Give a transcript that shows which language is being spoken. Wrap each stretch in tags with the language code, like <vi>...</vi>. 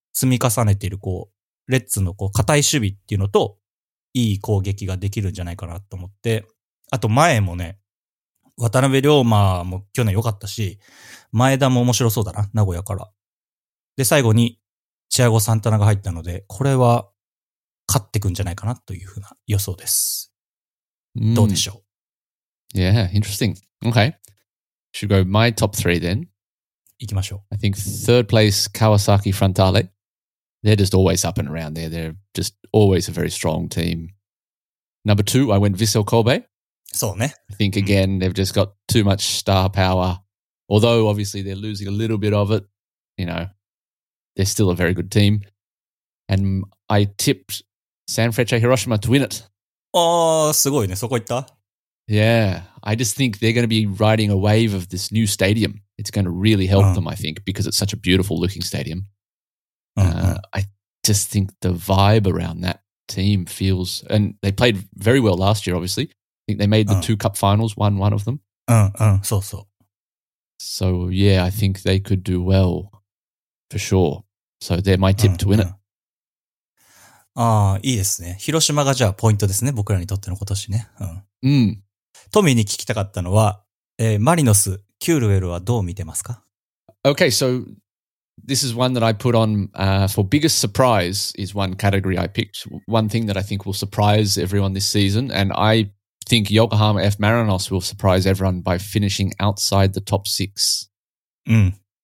<ja>積み重ねているこうレッツのこう固い守備っていうのといい攻撃ができるんじゃないかなと思って、あと前もね渡辺龍馬も去年良かったし、前田も面白そうだな、名古屋からで最後にチアゴ・サンタナが入ったので、これは勝ってくんじゃないかなというふうな予想です。どうでしょう。</ja> <en>Yeah, interesting. Okay. Should go my top three then.</en> <ja>行きましょう。</ja> <en>I think third place, Kawasaki Frontale. They're just always up and around there. They're just always a very strong team. Number two, I went Vissel Kobe.</en> <ja>そうね。</ja> <en>I think again, they've just got too much star power. Although, obviously, they're losing a little bit of it. You know, they're still a very good team. And I tipped Sanfrecce Hiroshima to win it.</en> <ja>Oh, すごいね。そこ行った?</ja> <en>Yeah. I just think they're going to be riding a wave of this new stadium. It's going to really help them, I think, because it's such a beautiful looking stadium. I just think the vibe around that team feels... And they played very well last year, obviously. I think they made the two cup finals, won one of them. So, so. So, yeah, I think they could do well for sure. So they're my tip to win it.</en> <ja>ああ、いいですね。広島がじゃあポイントですね。僕らにとっての今年ね。うん。トミーに聞きたかったのは、マリノス、キュールウェルはどう見てますか?</ja> <en>Okay, so this is one that I put on, for biggest surprise is one category I picked. One thing that I think will surprise everyone this season. And I think Yokohama F. Marinos will surprise everyone by finishing outside the top six.</en> <ja>うん。</ja>